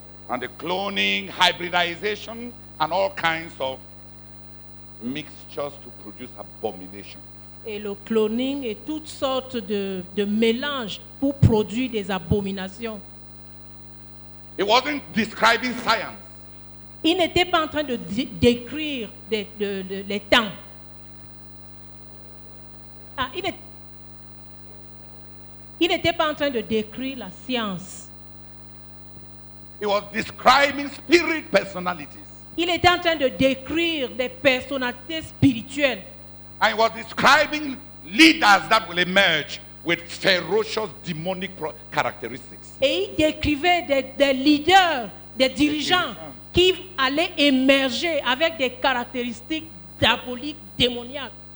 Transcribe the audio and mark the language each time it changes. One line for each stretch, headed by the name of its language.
English: and the cloning, hybridization, and all kinds of mixtures to produce abominations.
French: Et le cloning et toutes sortes de mélanges pour produire des abominations.
English: It wasn't describing science.
French: Il n'était pas en train de décrire les temps. Ah, il n'était pas en train de décrire la science.
English: He was describing spirit personalities.
French: Il était en train de décrire des personnalités spirituelles.
English: And he was describing leaders that will emerge with ferocious demonic characteristics.
French: Et il décrivait des leaders, des dirigeants qui allaient émerger avec des caractéristiques diaboliques, démoniaques.